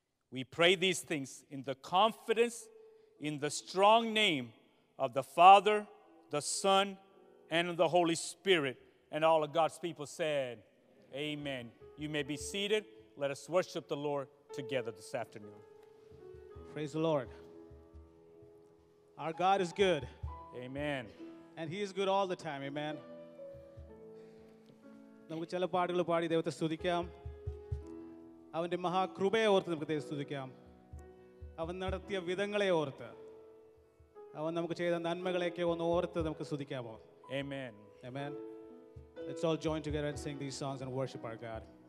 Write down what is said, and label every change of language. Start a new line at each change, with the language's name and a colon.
English: We pray these things in the confidence in the strong name of the Father, the Son, and the Holy Spirit. And all of God's people said, amen. You may be seated. Let us worship the Lord together this afternoon. Praise the Lord. Our God is good. Amen. And He is good all the time. Amen.
Malayalam: നമുക്ക് ചില പാട്ടുകൾ പാടി ദൈവത്തെ സ്തുതിക്കാം. അവൻ്റെ മഹാകൃപയെ ഓർത്ത് നമുക്ക് ദൈവം സ്തുതിക്കാം. അവൻ നടത്തിയ വിധങ്ങളെ ഓർത്ത്, അവൻ നമുക്ക് ചെയ്ത നന്മകളെയൊക്കെ ഒന്ന് ഓർത്ത് നമുക്ക് സ്തുതിക്കാമോ? ആമേൻ. ആമേൻ.
English: Let's all join together and sing these songs and worship our God.